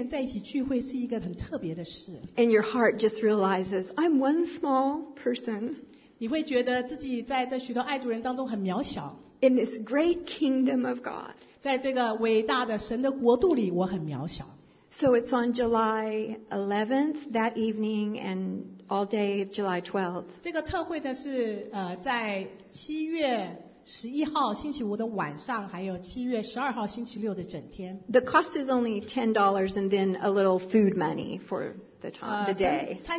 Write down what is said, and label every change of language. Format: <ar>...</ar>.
<zh>你知道能够跟上百的爱主的年轻人在一起聚会是一个很特别的事。</zh> <en>And your heart just realizes, I'm one small person.</en> <zh>你会觉得自己在这许多爱主人当中很渺小。</zh> <en>In this great kingdom of God.</en> <zh>在这个伟大的神的国度里我很渺小。</zh> <en>So it's on July 11th, that evening, and all day of July 12th.</en> <zh>这个特会的是在7月 11号星期五的晚上，还有7月12号星期六的整天。</zh> <en>The cost is only $10 and then a little food money for the time, the day.</en>